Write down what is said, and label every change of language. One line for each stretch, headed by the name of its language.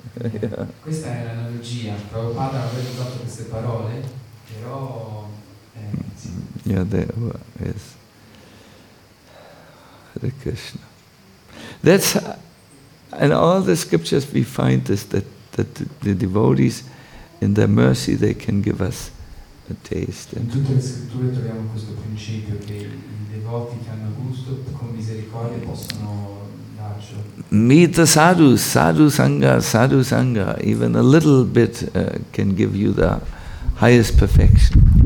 Italian: Questa è l'analogia. Prabhupada avrebbe usato queste parole, però.
English: Yeah, there is. Hare Krishna. That's in all the scriptures we find this, that the devotees, in their mercy, they can give us a taste.
Italian: In tutte le scritture troviamo questo principio che i devoti che hanno gusto con misericordia possono darci.
English: Meet the sadhus, sadhu sangha. Even a little bit can give you the highest perfection.